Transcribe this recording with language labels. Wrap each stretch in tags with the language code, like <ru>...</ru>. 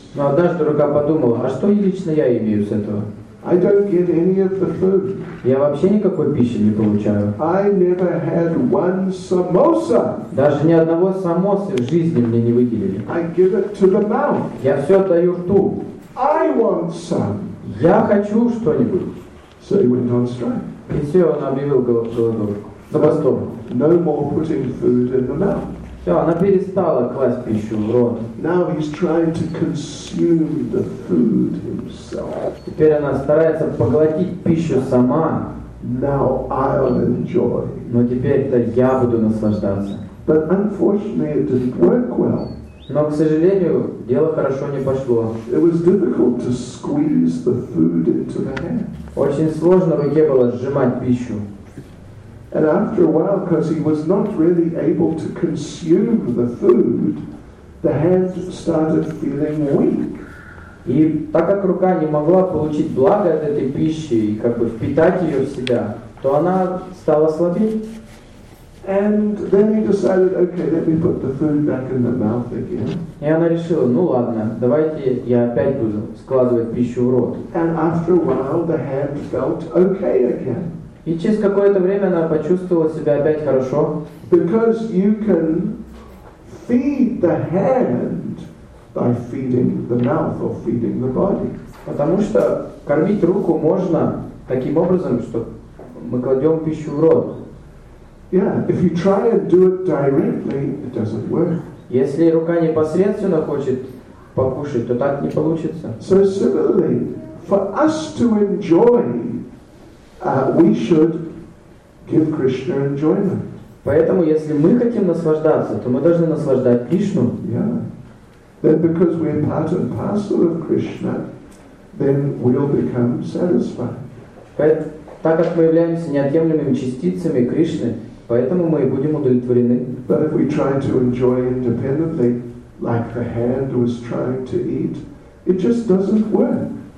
<ru>Но однажды рука подумала, а что лично я имею с этого?</ru> <en>I don't get any of the food.</en> <ru>Я вообще никакой пищи не получаю.</ru> <en>I never had one samosa.</en> <ru>Даже ни одного самосы в жизни мне не выделили.</ru> <en>I give it to the mouth.</en> <ru>Я все отдаю рту.</ru> <en>I want some.</en> <ru>Я хочу что-нибудь.</ru> <en>So he went on strike.</en> <ru>И все, он объявил голодовку.</ru> <en>No more putting food in the mouth.</en> <ru>Все, она перестала класть пищу в рот.</ru> <en>Now he's trying to consume the food himself.</en> <ru>Теперь она старается поглотить пищу сама.</ru> <en>Now I'll enjoy.</en> <ru>Но теперь-то я буду наслаждаться.</ru> <en>But unfortunately it didn't work well.</en> <ru>Но, к сожалению, дело хорошо не пошло.</ru> <en>It was difficult to squeeze the food into the hand.</en> <ru>Очень сложно руке было сжимать пищу.</ru> <en>And after a while, because he was not really able to consume the food, the hand started feeling weak.</en> <ru>И так как рука не могла получить благо от этой пищи и как бы впитать ее в себя, то она стала слабее.</ru> <en>And then he decided, okay, let me put the food back in the mouth again.</en> <ru>И она решила, ну ладно, давайте я опять буду складывать пищу в рот.</ru> <en>And after a while, the hand felt okay again.</en> <ru>И через какое-то время она почувствовала себя опять хорошо.</ru> <en>Because you can feed the hand by feeding the mouth or feeding the body.</en> <ru>Потому что кормить руку можно таким образом, что мы кладем пищу в рот.</ru> <en>Yeah, if you try and do it directly, it doesn't work.</en> <ru>Если рука непосредственно хочет покушать, то так не получится.</ru> <en>So similarly, for us to enjoy. We should give Krishna enjoyment.</en> <ru>Поэтому, если мы хотим наслаждаться, то мы должны наслаждать Кришну.</ru> <en>Yeah. Then, because we are part and parcel of Krishna, then we'll become satisfied.</en> <ru>Так как мы являемся неотъемлемыми частицами Кришны, поэтому мы и будем удовлетворены.</ru> <en>But if we try to enjoy independently, like the hand was trying to eat, it just doesn't work.</en>